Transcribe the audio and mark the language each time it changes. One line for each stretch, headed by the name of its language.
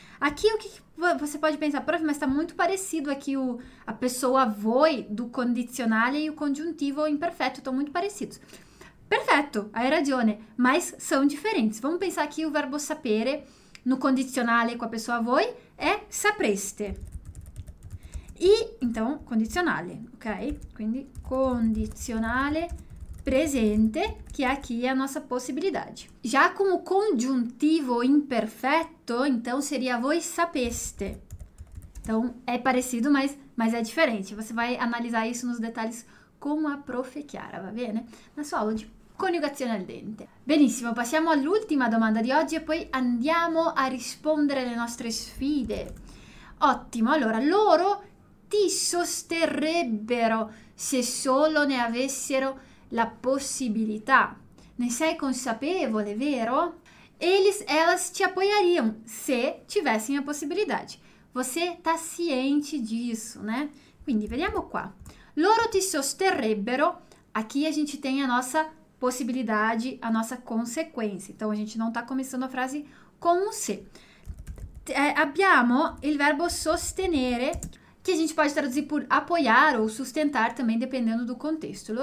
Portuguese: Aqui, o que você pode pensar, prof, mas está muito parecido aqui a pessoa voi do condizionale e o congiuntivo imperfetto, estão muito parecidos. Perfeito,
Italian: hai ragione,
Portuguese: mas são diferentes. Vamos pensar aqui o verbo sapere no condizionale com a pessoa voi é sapreste. E, então, condizionale, ok?
Italian: Quindi, condizionale presente,
Portuguese: che aqui è a nossa possibilidade. Já com o congiuntivo imperfetto, então seria voi sapeste. Então é parecido, mas é diferente. Você vai analisar isso nos detalhes com a prof.
Italian: Chiara, va bene?
Portuguese: Na sua aula
Italian: di coniugazione al dente. Benissimo, passiamo all'ultima domanda di oggi e poi andiamo a rispondere alle nostre sfide. Ottimo, allora loro ti sosterrebbero se solo ne avessero la possibilità. Ne sei consapevole, vero?
Portuguese: Elas te apoiariam se tivessem a possibilidade. Você tá ciente disso, né?
Italian: Quindi vediamo qua. Loro ti sosterrebbero.
Portuguese: Aqui a gente tem a nossa possibilidade, a nossa consequência. Então a gente não tá começando a frase com um se.
Italian: Abbiamo il verbo sostenere,
Portuguese: che a gente pode traduzir por apoiar ou sustentar também, dependendo do contexto.